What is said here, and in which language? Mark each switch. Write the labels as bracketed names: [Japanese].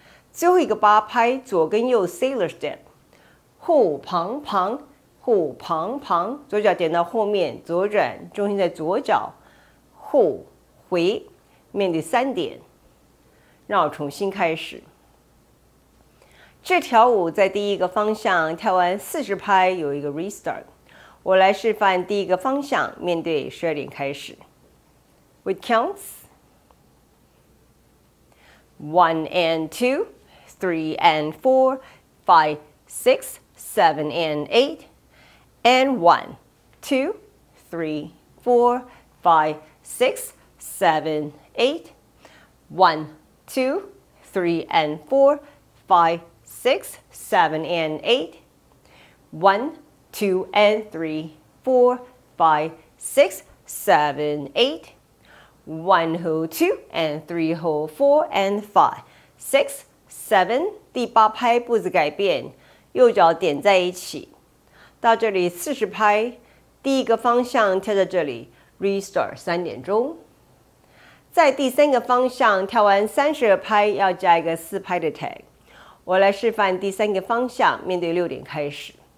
[Chinese] 最后一个八拍，左跟右 sailor step， 呼旁旁呼旁旁，左脚点到后面，左转重心在左脚，呼回，面对三点，然后重新开始。这条舞在第一个方向跳完40拍有一个 restart， 我来示范第一个方向面对12点开始。 [English] We count 1 and 2 3 and 4 5 6 7 and 8 and 1 2 3 4 5 6 7 8 1 2 3 and 4 5 6Six, seven, and eight. One, two, and three, four, five, six, seven, eight. One, hold two, and three, hold four, and five, six, seven. [Chinese] 第八拍步子改变，右脚点在一起。到这里四十拍，第一个方向跳在这里 ，restart 三点钟。在第三个方向跳完32拍，要加一个四拍的 tag。我来示范第三个方向，面对六点开始。